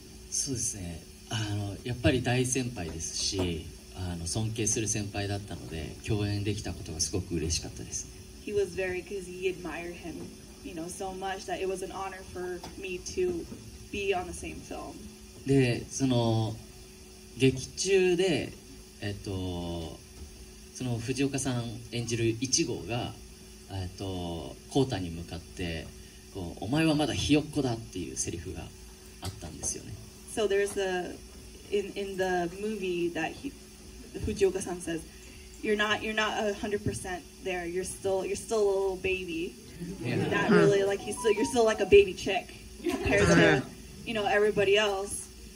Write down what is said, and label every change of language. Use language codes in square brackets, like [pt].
[ja] そうですね、やっぱり大先輩ですし尊敬する先輩だったので共演できたことがすごく嬉しかったです。 [en] He was very, because he admired him, you know, so much that it was an honor for me to be on the same film. [ja] で、その劇中で、その藤岡さん演じる一号が、コータに向かってこう、お前はまだひよっこだっていうセリフがあったんですよね。 [en] So there's in the movie that Fujioka-san says, you're not 100% there. You're still a little baby. Yeah. Not really, like you're still like a baby chick compared to, you know, everybody else.